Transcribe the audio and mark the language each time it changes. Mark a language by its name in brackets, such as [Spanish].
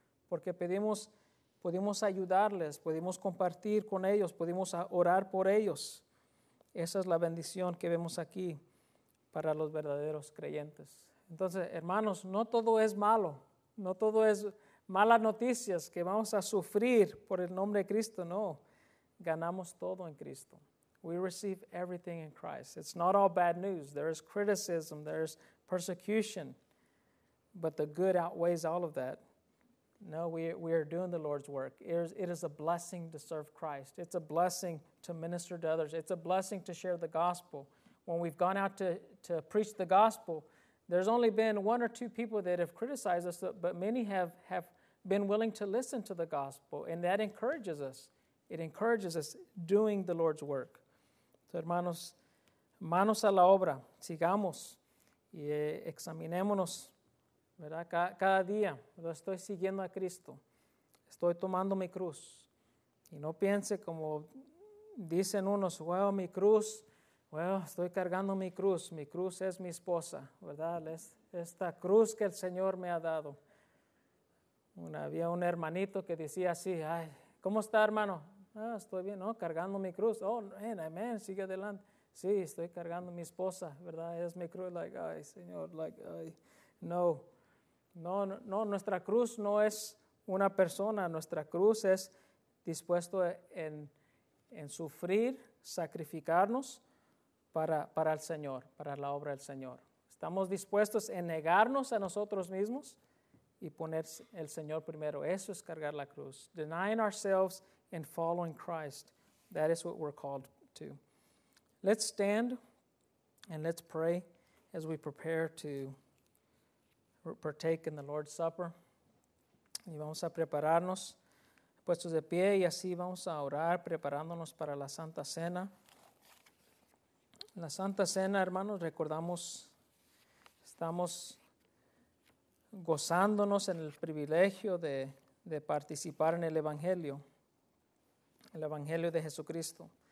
[Spanish] Porque pudimos ayudarles, pudimos compartir con ellos, pudimos orar por ellos. Esa es la bendición que vemos aquí para los verdaderos creyentes. Entonces, hermanos, no todo es malo, no todo es malas noticias que vamos a sufrir por el nombre de Cristo, no. Ganamos todo en Cristo. [English] We receive everything in Christ. It's not all bad news. There is criticism, there is persecution, but the good outweighs all of that. No, we are doing the Lord's work. It is a blessing to serve Christ. It's a blessing to minister to others. It's a blessing to share the gospel. When we've gone out to preach the gospel, there's only been one or two people that have criticized us, but many have been willing to listen to the gospel, and that encourages us. It encourages us doing the Lord's work. [Spanish] So, hermanos, manos a la obra. Sigamos y examinémonos, ¿verdad? Cada día estoy siguiendo a Cristo. Estoy tomando mi cruz. Y no piense como dicen unos, well, mi cruz, well, estoy cargando mi cruz. Mi cruz es mi esposa, ¿verdad? Es esta cruz que el Señor me ha dado. Había un hermanito que decía así, ay, ¿cómo está, hermano? Ah, estoy bien, ¿no? Cargando mi cruz. [English] Oh, man, [Spanish] amen, sigue adelante. Sí, estoy cargando mi esposa, ¿verdad? Es mi cruz. Like, ay, Señor, like, ay, no. No, no, no, nuestra cruz no es una persona, nuestra cruz es dispuesto en sufrir, sacrificarnos para el Señor, para la obra del Señor. Estamos dispuestos en negarnos a nosotros mismos y poner el Señor primero. Eso es cargar la cruz. [English] Denying ourselves and following Christ. That is what we're called to. Let's stand and let's pray as we prepare to partake in the Lord's Supper. [Spanish] Y vamos a prepararnos, puestos de pie, y así vamos a orar, preparándonos para la Santa Cena. La Santa Cena, hermanos, recordamos, estamos gozándonos en el privilegio de participar en el Evangelio de Jesucristo.